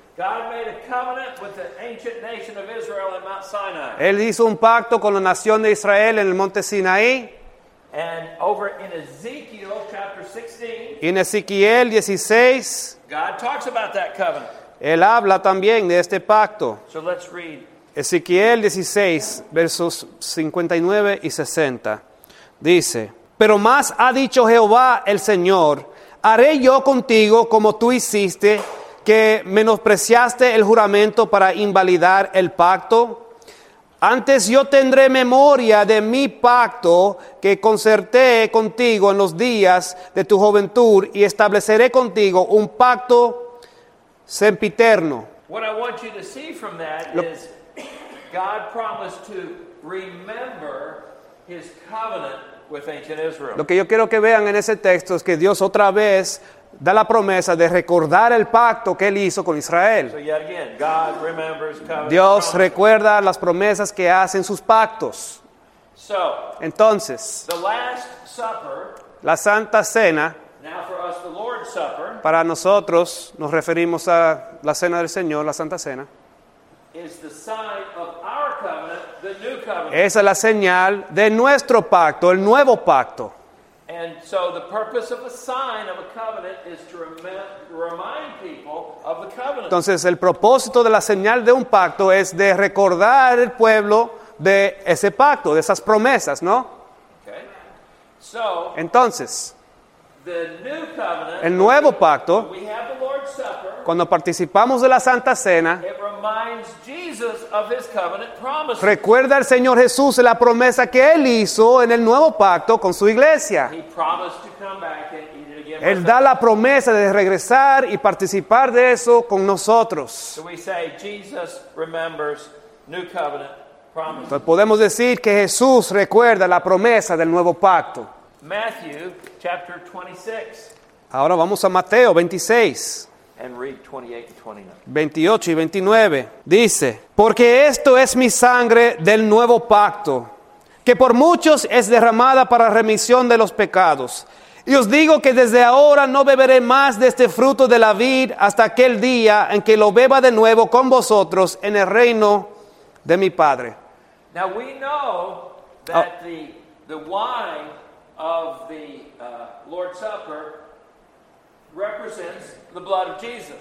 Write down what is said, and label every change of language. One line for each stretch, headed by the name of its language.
English: God made a covenant with the ancient nation of Israel at Mount Sinai.
Spanish: Él hizo un pacto con la nación de Israel en el monte Sinaí.
English: And over in Ezekiel chapter 16.
Spanish: In Ezequiel 16.
English: God talks about that covenant.
Spanish: Él habla también de este pacto.
English: So let's read.
Spanish: Ezequiel 16, versos 59 y 60. Dice, pero más ha dicho Jehová el Señor, haré yo contigo como tú hiciste, que menospreciaste el juramento para invalidar el pacto. Antes yo tendré memoria de mi pacto que concerté contigo en los días de tu juventud y estableceré contigo un pacto sempiterno.
English: What I want you to see from that is God promised to remember his covenant with ancient Israel.
Spanish: Lo que yo quiero que vean en ese texto es que Dios otra vez da la promesa de recordar el pacto que él hizo con Israel.
English: So yet again, God remembers covenant.
Spanish: Dios recuerda las promesas que hace en sus pactos.
English: So,
Spanish: entonces,
English: the Last Supper,
Spanish: la Santa Cena,
English: now for us the Lord's Supper,
Spanish: para nosotros nos referimos a la Cena del Señor, la Santa Cena,
English: is the sign of our covenant, the new covenant.
Spanish: Esa es la señal de nuestro pacto, el nuevo pacto.
English: And so the purpose of a sign of a covenant is to remind people of the covenant.
Spanish: Entonces el propósito de la señal de un pacto es de recordar al pueblo de ese pacto, de esas promesas, ¿no?
English: Okay. So,
Spanish: entonces,
English: the new covenant,
Spanish: el nuevo pacto,
English: we have the Lord's Supper,
Spanish: cuando participamos de la Santa Cena,
English: it reminds Jesus of his covenant promises.
Spanish: Recuerda al Señor Jesús la promesa que Él hizo en el nuevo pacto con su iglesia.
English: He promised to come back and eat it again.
Spanish: Él da la promesa de regresar y participar de eso con nosotros.
English: So we say Jesus remembers new covenant promises.
Spanish: Entonces podemos decir que Jesús recuerda la promesa del nuevo pacto.
English: Matthew chapter 26.
Spanish: Ahora vamos a Mateo 26.
English: And read 28 to 29.
Spanish: 28 y 29. Dice, porque esto es mi sangre del nuevo pacto, que por muchos es derramada para remisión de los pecados. Y os digo que desde ahora no beberé más de este fruto de la vid hasta aquel día en que lo beba de nuevo con vosotros en el reino de mi Padre.
English: Now we know that the wine of the Lord's Supper represents the blood of Jesus.